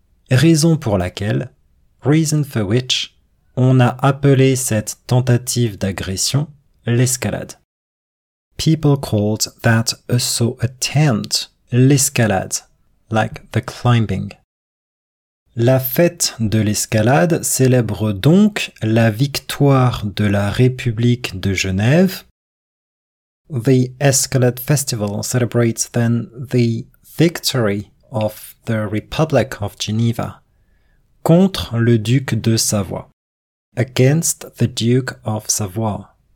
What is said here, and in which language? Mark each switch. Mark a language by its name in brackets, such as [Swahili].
[French] Raison pour laquelle, [English] reason for which, [French] on a appelé cette tentative d'agression l'escalade. [English] People called that assault attempt l'escalade, like the climbing. [French] La fête de l'escalade célèbre donc la victoire de la République de Genève. [English] The Escalade Festival celebrates then the victory of the Republic of Geneva [French] contre le duc de Savoie, [English] against the Duke of Savoie.